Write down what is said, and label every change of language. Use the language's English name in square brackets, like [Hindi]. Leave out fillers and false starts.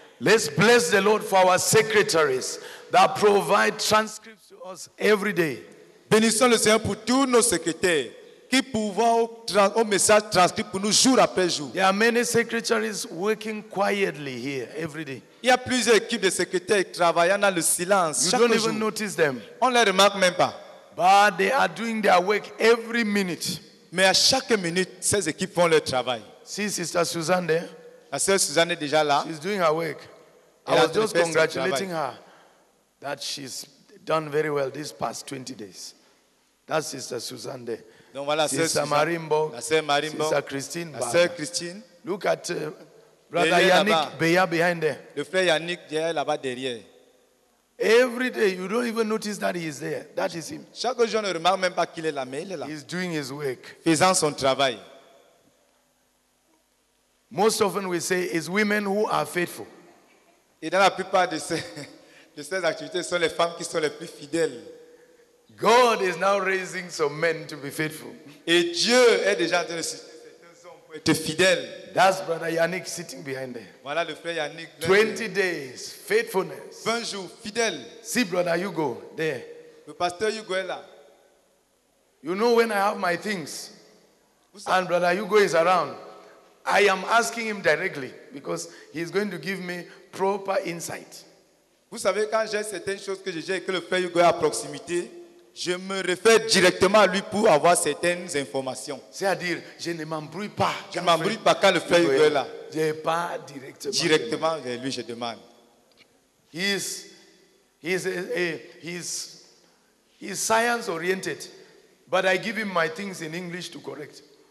[English] Let's bless the Lord for our secretaries that provide transcripts to us every day. [French] Bénissons le Seigneur pour tous nos secrétaires qui pourvoient au message transcrit pour nous jour après jour. [English] There are many secretaries working quietly here every day. [French] Il y a plusieurs équipes de secrétaires travaillant dans le silence chaque jour. [English] You don't even notice them. [French] On les remarque même pas. [English] But they are doing their work every minute. [French] Mais à chaque minute, ces équipes font leur travail. [English] See Sister Suzanne there. [French] La sœur Suzanne est déjà là. [English] She's doing her work. I was just congratulating her that she's done very well these past 20 days. That's Sister Suzanne there. [French] Donc voilà, [English] Sister Suzanne, Marimbo. [French] La sœur Marimbo. [English] Sister Christine. [French] La sœur Christine. [English] Look at Brother Béhier Yannick Béhier behind there. [French] Le frère Yannick Béhier là-bas derrière. [English] Every day, you don't even notice that he is there. That is him. [French] Chaque jour, ne remarque même pas qu'il est là, mais il est là. [English] He's doing his work. [French] Faisant son travail. [English] Most often we say it's women who are faithful. [French] Et dans la plupart de ces activités, ce sont les femmes qui sont les plus fidèles. [English] God is now raising some men to be faithful. [French] Et Dieu est déjà en train de susciter certains hommes pour être fidèles. [English] That's Brother Yannick sitting behind there. [French] Voilà le frère Yannick. [English] 20 days faithfulness. [French] 20 jours fidèles. [English] See Brother Hugo there. [French] Le pasteur Hugo est là. [English] You know when I have my things and Brother Hugo is around, I am asking him directly because he is going to give me proper insight. [French] Vous savez, quand j'ai certaines choses que je gère et que le frère Hugo est à proximité, je me réfère directement à lui pour avoir certaines informations. C'est-à-dire, je ne m'embrouille pas. Je ne m'embrouille pas quand le frère Hugo est là. Je ne pars directement vers lui. Directement vers lui, je demande. [English] He is He's science oriented, but I give him my things in English to correct.